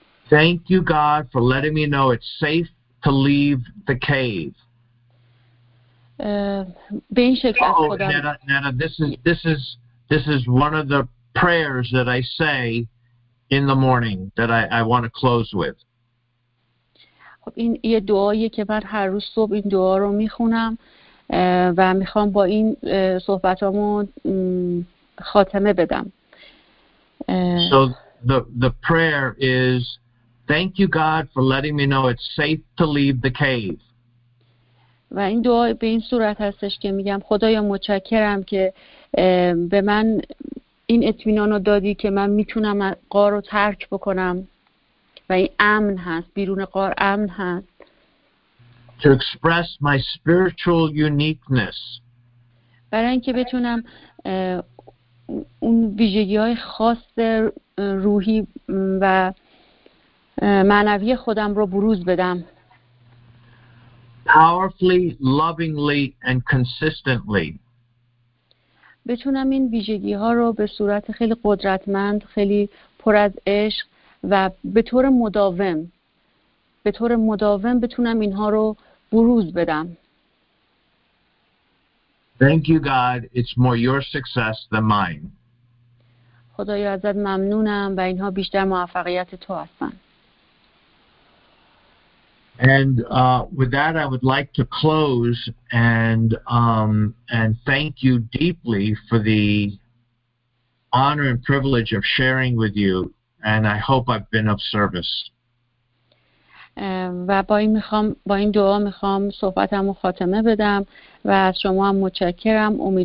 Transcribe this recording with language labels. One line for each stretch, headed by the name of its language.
English: Thank you God for letting me know it's safe to leave the cave.
Persian: به این شکل از خودم.
English: Netta, this is one of the prayers that I say in the morning that I want to close with.
Persian: خب این یه دعاییه که من هر روز صبح این دعا رو میخونم و میخوام با این صحبتامو خاتمه بدم.
English: So the prayer is thank you God for letting me know it's safe to leave the cave.
Persian: و این دعا به این صورت هستش که میگم خدایا متشکرم که به من این اطمینانو دادی که من میتونم غار رو ترک بکنم. و این امن هست، بیرون غار امن هست.
English: To express my spiritual uniqueness.
Persian: برای اینکه بتونم اون ویژگی‌های خاص روحی و معنوی خودم رو بروز بدم.
English: Powerfully, lovingly and consistently.
Persian: بتونم این ویژگی‌ها رو به صورت خیلی قدرتمند، خیلی پر از عشق و به طور مداوم بتونم اینها رو بروز بدم.
English: Thank you God, it's more your success than mine.
Persian: خدایا ازت ممنونم و اینها بیشتر موفقیت تو هستن.
English: And with that I would like to close and thank you deeply for the honor and privilege of sharing with you. And I hope I've been of service.
Persian: و با این دعا میخوام صحبتمو خاتمه بدم و از شما هم متشکرم.